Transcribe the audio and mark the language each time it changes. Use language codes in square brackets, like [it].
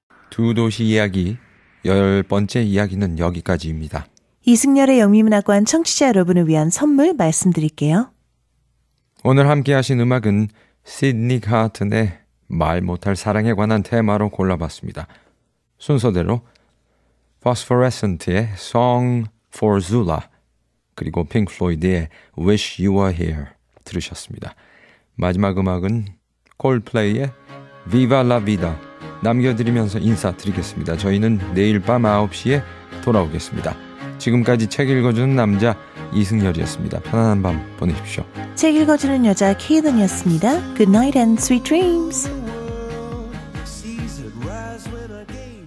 [ko] 두 도시 이야기, 열 번째 이야기는 여기까지입니다. 이승열의 영미문학관 청취자 여러분을 위한 선물 말씀드릴게요. 오늘 함께 하신 음악은 시드니 카튼의 말 못할 사랑에 관한 테마로 골라봤습니다. 순서대로 Phosphorescent의 Song for Zula 그리고 Pink Floyd의 Wish You Were Here 들으셨습니다. 마지막 음악은 Coldplay의 Viva La Vida 남겨드리면서 인사드리겠습니다. 저희는 내일 밤 9시에 돌아오겠습니다. 지금까지 책 읽어주는 남자 이승열이었습니다. 편안한 밤 보내십시오. 책 읽어주는 여자 케이든이었습니다. [en] Good night and sweet dreams.